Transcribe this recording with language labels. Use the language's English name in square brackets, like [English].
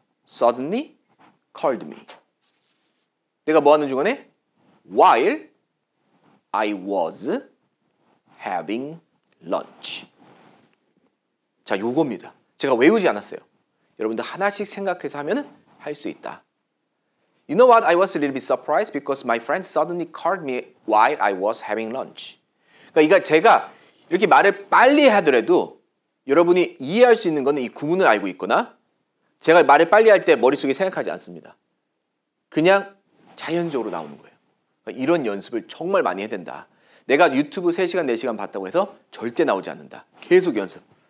[English] Suddenly called me. [Korean] 내가 뭐 하는 중간에? [English] While I was having lunch. [Korean] 자, 요겁니다. 제가 외우지 않았어요. 여러분들 하나씩 생각해서 하면 할 수 있다. [English] You know what? I was a little bit surprised because my friend suddenly called me while I was having lunch. [Korean] 그러니까 이거 제가 이렇게 말을 빨리 하더라도 여러분이 이해할 수 있는 거는 이 구문을 알고 있거나 제가 말을 빨리 할 때 머릿속에 생각하지 않습니다. 그냥 자연적으로 나오는 거예요. 그러니까 이런 연습을 정말 많이 해야 된다. 내가 유튜브 3시간, 4시간 봤다고 해서 절대 나오지 않는다. 계속 연습.